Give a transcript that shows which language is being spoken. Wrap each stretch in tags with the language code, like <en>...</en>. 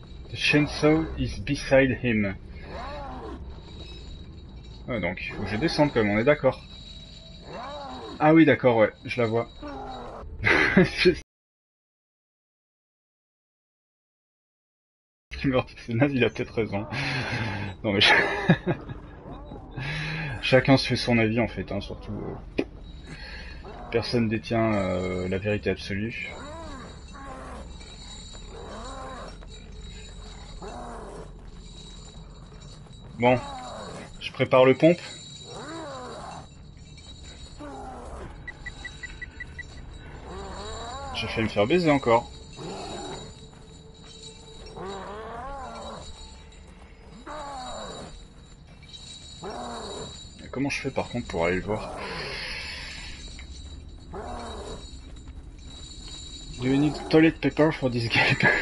<en>The chainsaw is beside him.</en> <fr>Ah, donc, il faut que je descende quand même, on est d'accord. Ah oui, d'accord, ouais, je la vois. C'est naze, il a peut-être raison. Non, mais chacun se fait son avis en fait, hein, surtout personne détient la vérité absolue. Bon, je prépare le pompe. J'ai failli me faire baiser encore. Comment je fais par contre pour aller le voir?</fr> <en>Do you need toilet paper for this game?</en>